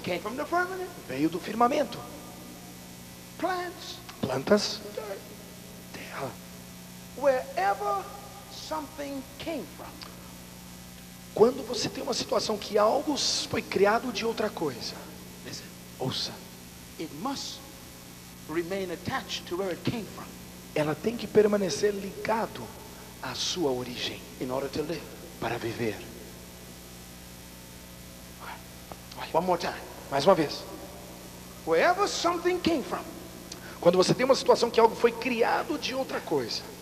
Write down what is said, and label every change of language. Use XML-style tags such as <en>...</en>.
<en>Came from the firmament.</en> <pt>Veio do firmamento.</pt> <en>Plants.</en> <pt>Plantas.</pt> <en>Dirt.</en> <pt>Terra.</pt> <en>Wherever something came from.</en> <pt>Quando você tem uma situação que algo foi criado de outra coisa,</pt> <en>listen,</en> <pt>ouça,</pt> <en>it must remain attached to where it came from.</en> <pt>Ela tem que permanecer ligado à sua origem,</pt> <en>in order to live,</en> <pt>para viver.</pt> <en>One more time.</en> <pt>Mais uma vez.</pt> <en>Wherever something came from.</en> <pt>Quando você tem uma situação que algo foi criado de outra coisa,</pt>